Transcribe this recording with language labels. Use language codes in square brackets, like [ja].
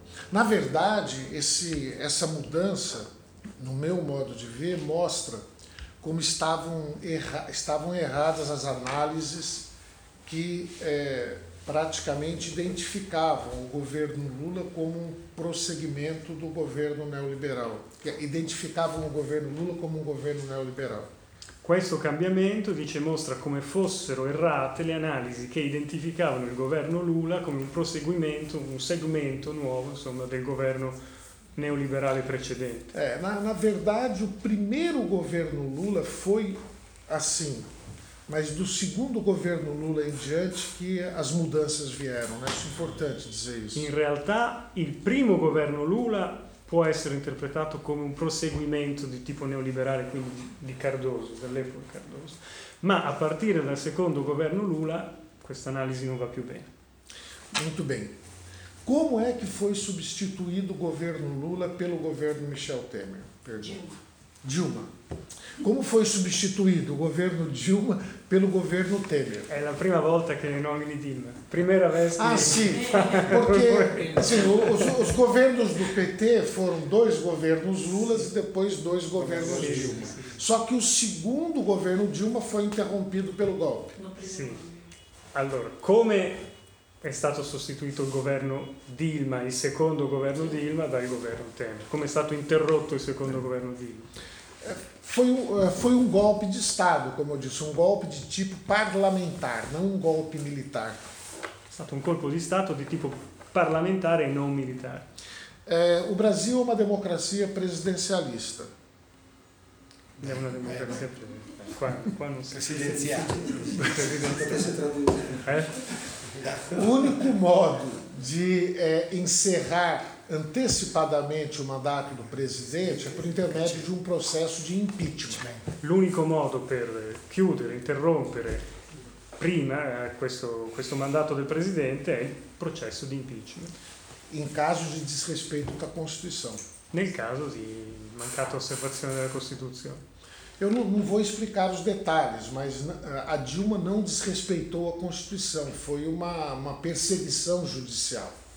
[pt] Na verdade, essa mudança, no meu modo de ver, mostra como estavam erradas as análises que praticamente identificavam o governo Lula como um prosseguimento do governo neoliberal. Identificavam o governo Lula como um governo neoliberal. [it] Questo cambiamento, dice, mostra come fossero errate le analisi che identificavano il governo Lula come un proseguimento, un segmento nuovo, insomma, del governo neoliberale precedente. [pt] É, na verdade, o primeiro governo Lula foi assim, mas do segundo governo Lula em diante que as mudanças vieram, né? Isso é importante dizer isso. Em realidade, o primeiro governo Lula pode ser interpretado como um prosseguimento de tipo [it] neoliberale, quindi di Cardoso, dell'epoca Cardoso. Ma a partire dal secondo governo Lula, questa analisi non va più bene. [pt] Muito bem. Como é que foi substituído o governo Lula pelo governo Michel Temer? Dilma. Como foi substituído o governo Dilma pelo governo Temer? É a primeira volta que nomine Dilma. Primeira vez que... Ah, sim. Porque assim, os governos do PT foram dois governos Lula e depois dois governos Dilma. Só que o segundo governo Dilma foi interrompido pelo golpe. Sim. Allora, como... [it] è stato sostituito il governo Dilma, il secondo governo Dilma, dal governo Temer. Come è stato interrotto il secondo governo Dilma? [pt] Foi um golpe de Estado, [it] come ho detto, un golpe di tipo parlamentare, non un golpe militare. È stato un colpo di Stato di tipo parlamentare e non militare. O Brasil è una democrazia presidenzialista. È una democrazia presidenziale. Qua non si... Presidenziale. [pt] O único modo de encerrar antecipadamente o mandato do presidente é por intermédio de um processo de impeachment. [it] L'unico modo per chiudere, interrompere prima questo mandato del presidente è il processo di impeachment. In caso di disrespeito da Constituição. Nel caso di mancata osservazione della Costituzione. [pt] Eu não vou explicar os detalhes, mas a Dilma não desrespeitou a Constituição, foi uma perseguição judicial.